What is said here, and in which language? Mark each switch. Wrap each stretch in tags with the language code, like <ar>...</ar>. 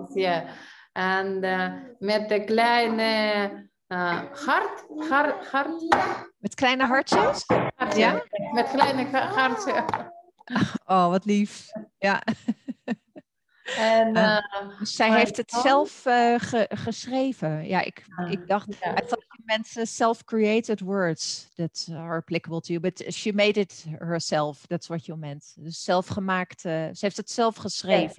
<nl>Ja. En met een kleine hart. Met kleine hartjes? Hartje. Ja. Met kleine hartjes. Oh, wat lief. Ja. En, zij heeft het zelf geschreven. Ja, ik dacht,</nl> <en>yeah. I thought you meant self-created words that are applicable to you. But she made it herself, that's what you meant.</en> <nl>Dus zelfgemaakt, ze heeft het zelf geschreven.</nl>